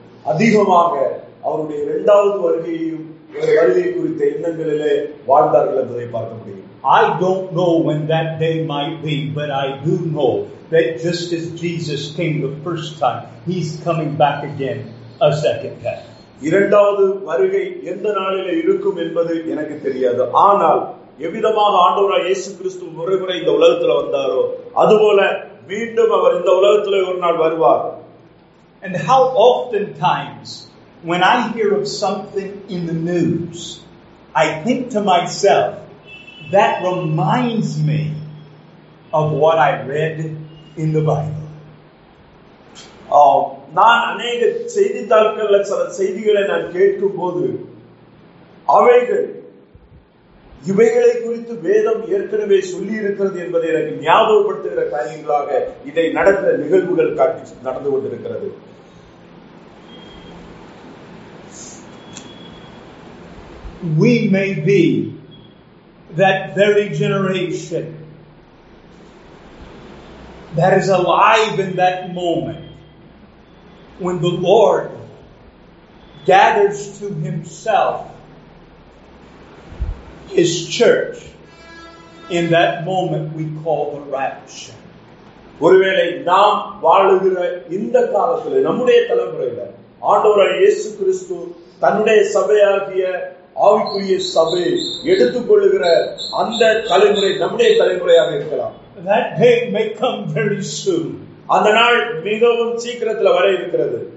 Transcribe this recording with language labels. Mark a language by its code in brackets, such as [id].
[ta] அதிகமாக அவருடைய இரண்டாவது வருகையையும் வருகை குறித்த எண்ணங்களிலே வாழ்ந்தார்கள் என்பதை பார்க்க முடியும். [en] I don't know when that day might be, but I do know that just as Jesus came the first time, he's coming back again a second time. [ta] இரண்டாவது வருகை எந்த நாளிலே இருக்கும் என்பது எனக்கு தெரியாது. ஆனால் எவ்விதமாக ஆண்டவராய் இயேசு கிறிஸ்து முறைமுறை இந்த உலகத்துல வந்தாரோ அதுபோல மீண்டும் அவர் இந்த உலகத்துல ஒரு நாள் வருவார். [en] And how often times when I hear of something in the news, I think to myself, that reminds me of what I read in the Bible. [ta] நான் அநேக செய்தித்தாள்கள் சில செய்திகளை நான் கேட்கும்போது அவைகள் இவைகளை குறித்து வேதம் ஏற்கனவே சொல்லி இருக்கிறது என்பதை எனக்கு ஞாபகப்படுத்துகிற காரியங்களாக இதை நடக்கிற நிகழ்வுகள் காட்டி நடந்து கொண்டிருக்கிறது. [en] We may be that very generation that is alive in that moment when the Lord gathers to himself his church in that moment we call the rapture. [ta] ஒருவேளை நாம் வாழுகிற இந்த காலத்தில் நம்முடைய தலைமுறையில் ஆண்டவராகிய இயேசு கிறிஸ்து தன்னுடைய சபையாகிய ஆவிக்குரிய சபை எடுத்துக்கொள்ளுகிற அந்த தலைமுறை நம்முடைய தலைமுறையாக இருக்கலாம். [en] That day may come very soon. [ta] அந்த நாள் மிகவும் சீக்கிரத்தில் வர இருக்கிறது.